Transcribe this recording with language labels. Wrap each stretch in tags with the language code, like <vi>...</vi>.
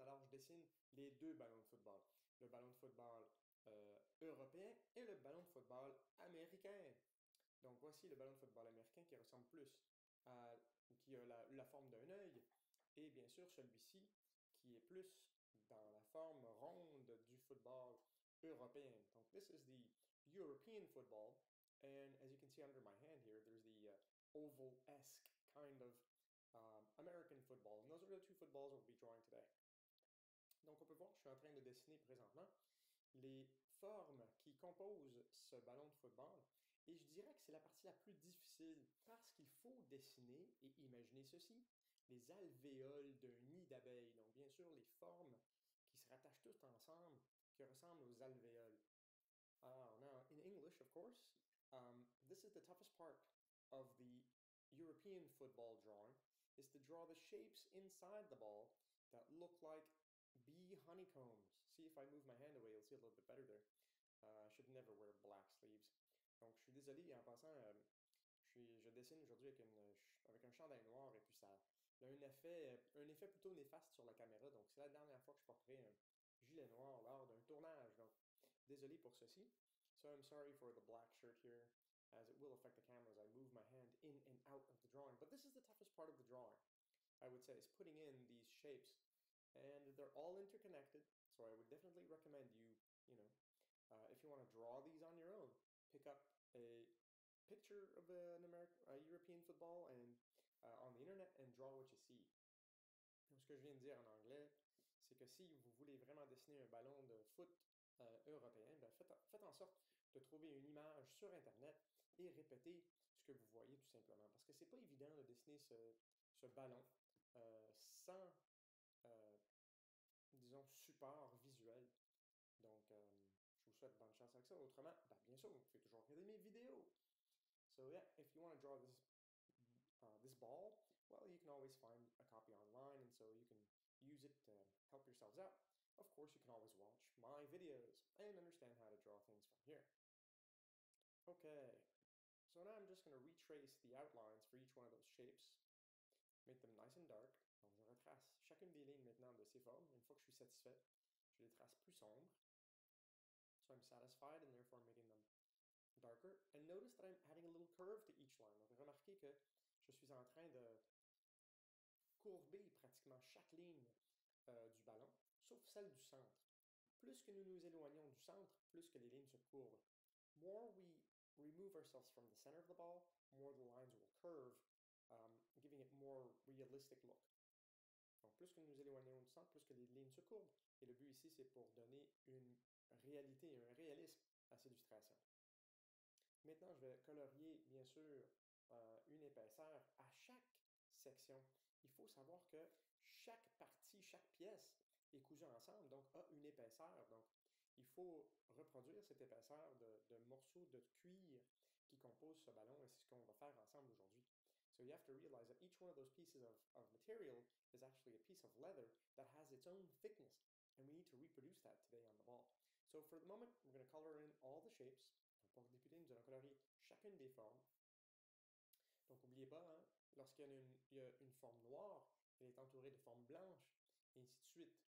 <fr>Alors, je dessine les deux ballons de football. Le ballon de football européen et le ballon de football américain. Donc voici le ballon de football américain qui ressemble plus à... qui a la forme d'un œil. Et bien sûr, celui-ci qui est plus dans la forme ronde du football européen.</fr> <en>Donc, this is the European football. And as you can see under my hand here, there's the oval-esque kind of American football. And those are the two footballs we'll be drawing today.</en> <fr>Donc, on peut voir, je suis en train de dessiner présentement les formes qui composent ce ballon de football. Et je dirais que c'est la partie la plus difficile parce qu'il faut dessiner et imaginer ceci, les alvéoles d'un nid d'abeilles. Donc, bien sûr, les formes qui se rattachent toutes ensemble, qui ressemblent aux alvéoles.</fr> <en>Alors, now, in English, of course, this is the toughest part of the European football drawing, is to draw the shapes inside the ball that look like bee honeycombs. See, if I move my hand away, you'll see a little bit better there. I should never wear black sleeves.</en> <fr>Donc, je suis désolé, en passant, je dessine aujourd'hui avec un chandail noir et puis ça a un effet plutôt néfaste sur la caméra. Donc, c'est la dernière fois que je porterai un gilet noir lors d'un tournage. Donc, désolé pour ceci.</fr> <en>So, I'm sorry for the black shirt here, as it will affect the camera as I move my hand in and out of the drawing. But this is the toughest part of the drawing, I would say, is putting in these shapes. And they're all interconnected, so I would definitely recommend you, you know, if you want to draw these on your own, pick up a picture of a European football and on the internet and draw what you see.</en> <fr>Donc, ce que je viens de dire en anglais, c'est que si vous voulez vraiment dessiner un ballon de foot européen, ben faites en sorte de trouver une image sur internet et répétez ce que vous voyez tout simplement. Parce que c'est pas évident de dessiner ce ballon sans, disons, support visuel. Donc, je vous souhaite bonne chance avec ça. Autrement, ben bien sûr, vous pouvez toujours regarder mes vidéos.</fr> <en>So yeah, if you want to draw this ball, well, you can always find a copy online, and so you can use it to help yourselves out. Of course, you can always watch my videos and understand how to draw things from here. Okay, so now I'm just going to retrace the outlines for each one of those shapes, make them nice and dark.</en> <fr>Donc, je retrace chacune des lignes maintenant de ces formes. Une fois que je suis satisfait, je les trace plus sombres.</fr> <en>So I'm satisfied and therefore making them darker. And notice that I'm adding a little curve to each line.</en> <fr>Donc, remarquez que je suis en train de courber pratiquement chaque ligne du ballon, sauf celle du centre. Plus que nous nous éloignons du centre, plus que les lignes se courbent.</fr> <en>More we remove ourselves from the center of the ball, more the lines will curve, giving it more realistic look.</en> <fr>Donc, plus que nous éloignons du centre, plus que les lignes se courbent. Et le but ici, c'est pour donner une réalité, un réalisme à cette illustration. Maintenant, je vais colorier, bien sûr, une épaisseur à chaque section. Il faut savoir que chaque partie, chaque pièce est cousue ensemble, donc a une épaisseur. Donc, il faut reproduire cette épaisseur de morceaux de cuir qui composent ce ballon, et c'est ce qu'on va faire ensemble aujourd'hui.</fr> <en>So you have to realize that each one of those pieces of material is actually a piece of leather that has its own thickness, and we need to reproduce that today on the ball. So for the moment, we're going to color in all the shapes.</en> <fr>Donc pour débuter, nous allons colorier chacune des formes. Donc n'oubliez pas, hein, lorsqu'il y a une forme noire, elle est entourée de formes blanches, et ainsi de suite.</fr>